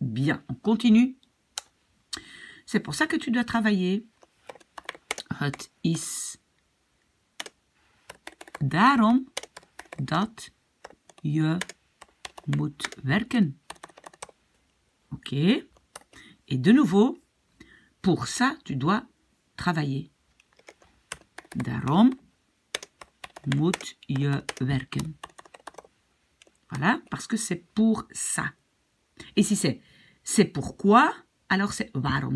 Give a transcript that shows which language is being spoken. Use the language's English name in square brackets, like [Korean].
[French] Bien, on continue. C'est pour ça que tu dois travailler. [Dutch] « Het is daarom dat je moet werken. » Ok ? [French] Et de nouveau, pour ça, tu dois travailler. « [Dutch] Daarom moet je werken. [French] » Voilà, parce que c'est pour ça. Et si c'est pourquoi, alors c'est waarom.